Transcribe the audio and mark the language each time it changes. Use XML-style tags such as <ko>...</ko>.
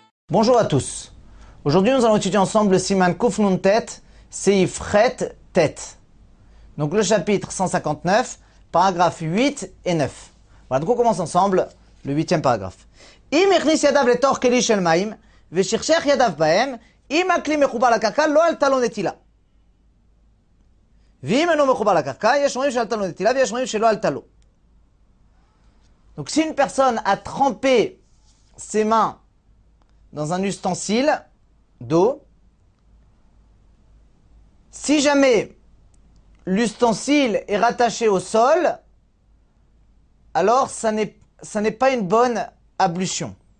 <fr>Bonjour à tous. Aujourd'hui, nous allons étudier ensemble le Siman Kuf Nun Tet, Seif Ret Tet. Donc le chapitre 159, paragraphes 8 et 9. Voilà, donc on commence ensemble le 8e paragraphe.</fr> <he>אם הכניס ידיו לתוך כלי של מים ושכשך ידיו בהם, אם הכלי מחובר לקרקע, לא עלתה לו נטילה. ואם אינו מחובר לקרקע, יש אומרים שעלתה לו נטילה ויש אומרים שלא עלתה לו.</he> <fr>Donc si une personne a trempé ses mains dans un ustensile d'eau, si jamais l'ustensile est rattaché au sol, alors ça n'est pas une bonne ablution.</fr>